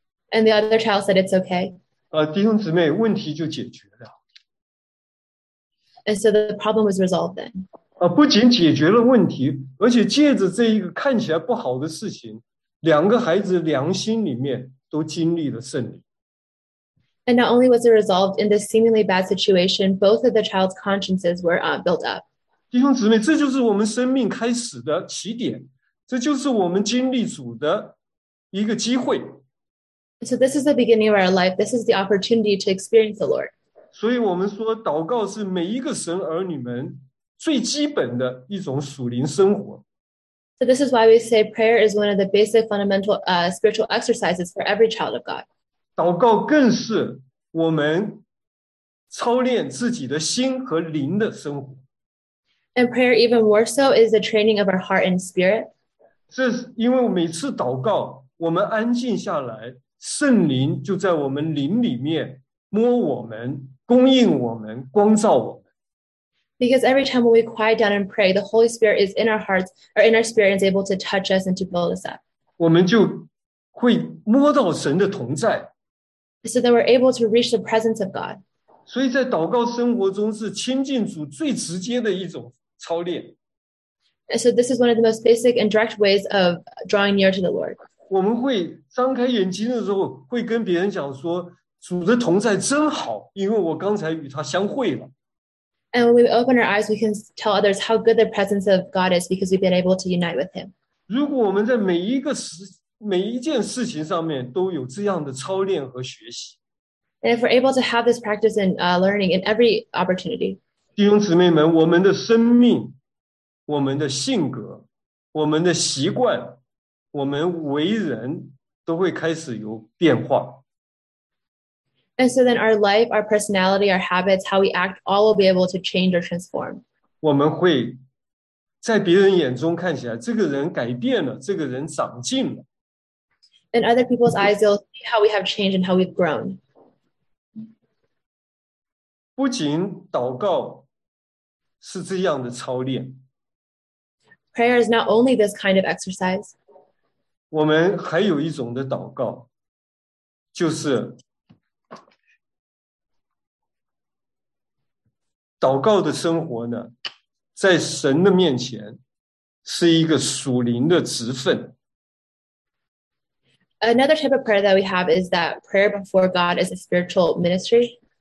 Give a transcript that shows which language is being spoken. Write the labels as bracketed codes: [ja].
[en] And the other child said, It's okay. [zh] 弟兄姊妹，问题就解决了。 [en] And so the problem was resolved then. [zh] 不仅解决了问题，而且借着这一个看起来不好的事情，两个孩子良心里面都经历了圣灵。 [en] And not only was it resolved in this seemingly bad situation, both of the child's consciences were built up. [zh] 弟兄姊妹，这就是我们生命开始的起点，这就是我们经历主的一个机会。 [en] So this is the beginning of our life. This is the opportunity to experience the Lord. [zh] 所以我们说，祷告是每一个神儿女们最基本的一种属灵生活。 [en] So this is why we say prayer is one of the basic fundamental spiritual exercises for every child of God. [zh] 祷告更是我们操练自己的心和灵的生活。 [en] And prayer even more so is the training of our heart and spirit. [zh] 这是因为每次祷告，我们安静下来，圣灵就在我们灵里面摸我们，供应我们，光照我们。 [en] Because every time when we quiet down and pray, the Holy Spirit is in our hearts, or in our spirit, and is able to touch us and to build us up. [zh] 我们就会摸到神的同在。 [en] So that we're able to reach the presence of God. [zh] 所以在祷告生活中是亲近主最直接的一种操练。 [en] And so this is one of the most basic and direct ways of drawing near to the Lord. [zh] 我们会张开眼睛的时候会跟别人讲说，主的同在真好，因为我刚才与他相会了。 [en] And when we open our eyes, we can tell others how good the presence of God is because we've been able to unite with him. [zh] 如果我们在每一件事情上面都有这样的操练和学习。 [en] And if we're able to have this practice and learning in every opportunity. [zh] 弟兄姊妹们，我们的生命，我们的性格，我们的习惯，我们为人都会开始有变化。 [en] And so then our life, our personality, our habits, how we act, all will be able to change or transform. [zh] 我们会在别人眼中看起来，这个人改变了，这个人长进了。 [en] In other people's eyes, they'll see how we have changed and how we've grown. [zh] 不仅祷告是这样的操练。 [en] Prayer is not only this kind of exercise. [zh] 我们还有一种的祷告，就是祷告的生活呢，在神的面前是一个属灵的职分。 [en] Another type of prayer that we have is that prayer before God is a spiritual ministry.